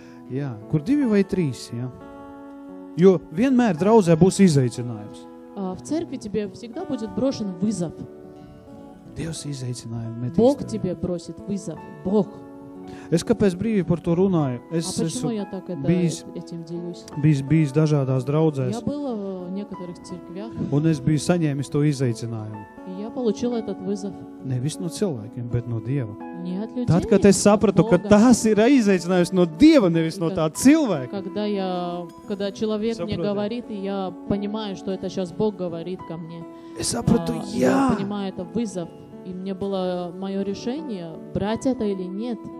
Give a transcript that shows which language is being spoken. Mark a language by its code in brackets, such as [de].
[lv] Я, kur divi vai trīs, я. Jo vienmēr draudzē būs izaicinājums. [ru] В церкви тебе всегда будет брошен вызов. [lv] Dievs izaicinājumu metīs. [ru] Бог тебе бросит вызов. Бог. [lv] Es kāpēc brīvi par to runāju? Es esmu bijis dažādās draudzēs. [ru] Я был в некоторых церквях. [lv] Un es biju saņēmis to izaicinājumu. [ru] Я получил этот вызов. [lv] Nevis no cilvēkiem, bet no Dieva. [ru] Не от людей. [lv] Tad, kad es sapratu, ka tas ir izaicinājums no Dieva, nevis no tā cilvēka. [ru] Когда человек мне говорит, и я понимаю, что это сейчас Бог говорит ко мне. [lv] Es sapratu, jā. [ru] Я понимаю, это вызов. И мне было мое решение, брать это или нет.